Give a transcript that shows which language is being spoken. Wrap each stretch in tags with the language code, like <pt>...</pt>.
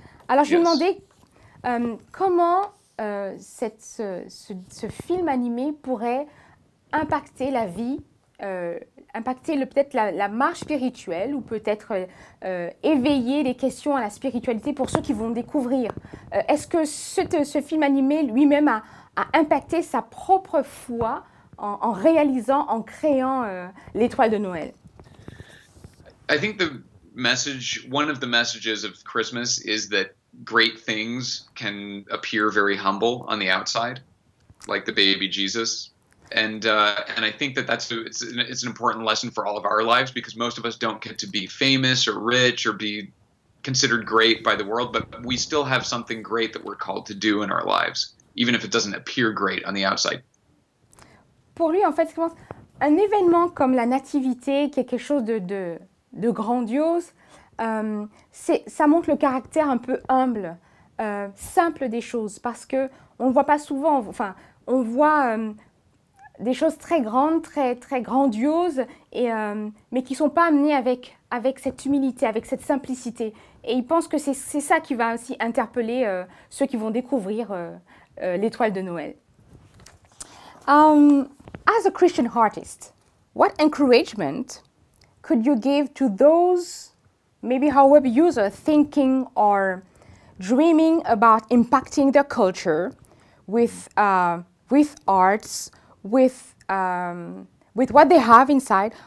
<fr>Alors, je me demandais comment ce film animé pourrait impacter la vie, impacter peut-être la marche spirituelle, ou peut-être éveiller les questions à la spiritualité pour ceux qui vont découvrir. Est-ce que ce film animé lui-même a impacté sa propre foi en réalisant, en créant l'étoile de Noël?</fr> <en>I think the message, one of the messages of Christmas is that great things can appear very humble on the outside, like the baby Jesus. And I think that it's an important lesson for all of our lives, because most of us don't get to be famous or rich or be considered great by the world, but we still have something great that we're called to do in our lives, even if it doesn't appear great on the outside.</en> <fr>Pour lui, en fait, c'est un événement comme la nativité, qui est quelque chose de grandiose, ça montre le caractère un peu humble, simple des choses, parce qu'on ne le voit pas souvent, enfin, on voit des choses très grandes, très, très grandioses, mais qui ne sont pas amenées avec cette humilité, avec cette simplicité. Et il pense que c'est ça qui va aussi interpeller ceux qui vont découvrir l'étoile de Noël.</fr> <en>As a Christian artist, what encouragement could you give to those, maybe our web user, thinking or dreaming about impacting their culture with arts, with what they have inside?</en>